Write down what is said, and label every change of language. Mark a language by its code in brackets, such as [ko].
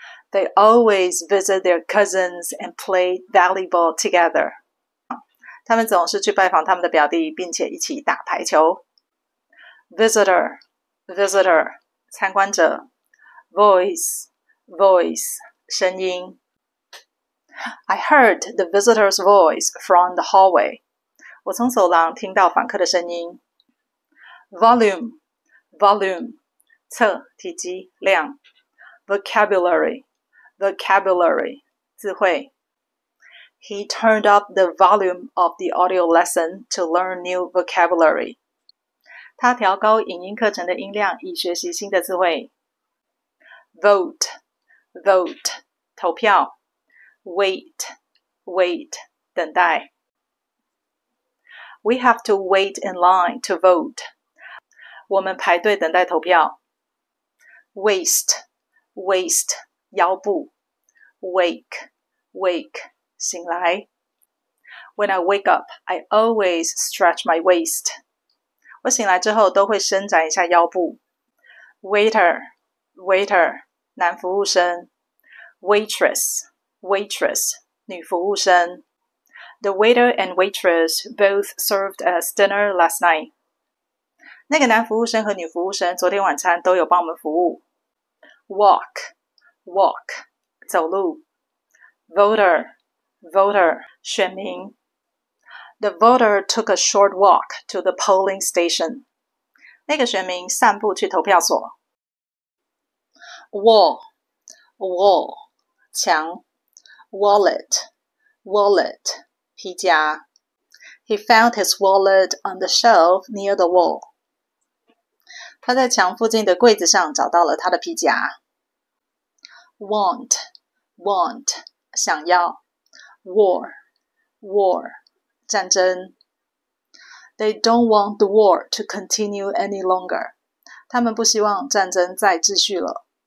[en] They always visit their cousins and play volleyball together. [zh] 他们总是去拜访他们的表弟，并且一起打排球。 [en] Visitor, visitor. 参观者 ，voice, voice, 声音。 I heard the visitor's voice from the hallway. [zh] 我从走廊听到访客的声音。 [en] Volume, volume, 测体积量。 Vocabulary, vocabulary, 字汇。 He turned up the volume of the audio lesson to learn new vocabulary. [zh] 他调高影音课程的音量以学习新的词汇。 [en] Vote, vote, 投票。Wait, wait, 等待。 We have to wait in line to vote. [zh] 我们排队等待投票。 [en] Waste, waste, 腰部。Wake, wake, 醒来。 When I wake up, I always stretch my waist. [zh] 我醒来之后都会伸展一下腰部。 [en] Waiter, waiter, 男服务生。 Waitress, waitress, 女服务生。 The waiter and waitress both served us dinner last night. [zh] 那个男服务生和女服务生昨天晚餐都有帮我们服务。 [en] Walk, walk, 走路。Voter, voter, 选民。 The voter took a short walk to the polling station. [zh] 那个选民散步去投票所。 [en] Wall, wall, 墙。Wallet, wallet, 皮夹。 He found his wallet on the shelf near the wall. [zh] 他在墙附近的柜子上找到了他的皮夹。 [en] Want, want, 想要。War, war. 战争。 They don't want the war to continue any longer. [zh] 他们不希望战争再继续了。